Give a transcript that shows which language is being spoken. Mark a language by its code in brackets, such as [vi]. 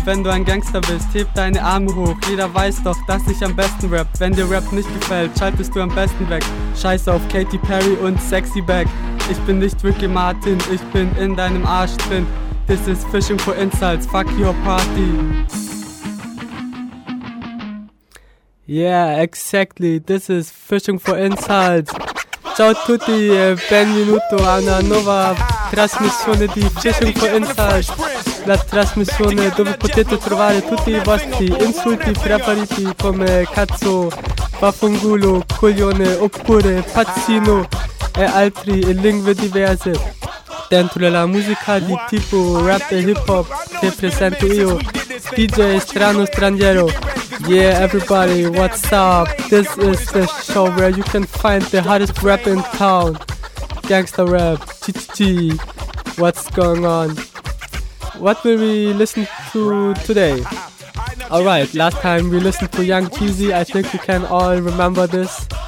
[de] Wenn du ein Gangster bist, heb deine Arme hoch. Jeder weiß doch, dass ich am besten rap. Wenn dir Rap nicht gefällt, schaltest du am besten weg. Scheiß auf Katy Perry und Sexy Back. Ich bin nicht Ricky Martin, ich bin in deinem Arsch drin. [en] This is Fishing for Insults, fuck your party. Yeah, exactly, this is Fishing for Insults. [it] Ciao tutti, benvenuto a una nuova trasmissione di Fishing for Insults. La trasmissione dove potete trovare tutti i vostri insulti preferiti come cazzo, vaffanculo, coglione oppure pazzino e altri in lingue diverse. Dentro la musica di tipo rap e hip hop che presento io, DJ Strano Straniero. [en] Yeah everybody, what's up? This is the show where you can find the hottest rap in town. Gangsta rap, GGG, what's going on? What will we listen to today? Alright, last time we listened to Young Jeezy, I think you can all remember this.